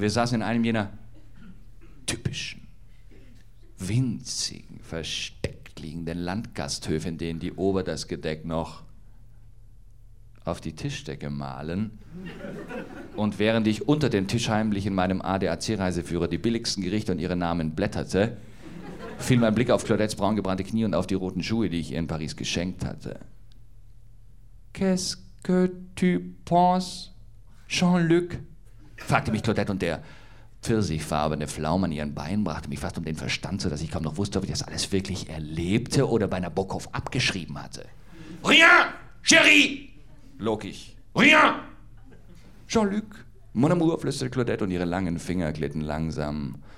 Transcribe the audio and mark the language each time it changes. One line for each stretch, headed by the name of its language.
German: Wir saßen in einem jener typischen, winzigen, versteckt liegenden Landgasthöfe, in denen die Ober das Gedeck noch auf die Tischdecke malen. Und während ich unter dem Tisch heimlich in meinem ADAC-Reiseführer die billigsten Gerichte und ihre Namen blätterte, fiel mein Blick auf Claudettes braungebrannte Knie und auf die roten Schuhe, die ich ihr in Paris geschenkt hatte.
French: Qu'est-ce que tu penses, Jean-Luc?
German: Fragte mich Claudette, und der pfirsichfarbene Flaum an ihren Beinen brachte mich fast um den Verstand, sodass ich kaum noch wusste, ob ich das alles wirklich erlebte oder bei Nabokov abgeschrieben hatte.
French: Rien, chérie!
German: Log ich.
French: Rien!
German: Jean-Luc,
French: mon amour,
German: flüsterte Claudette, und ihre langen Finger glitten langsam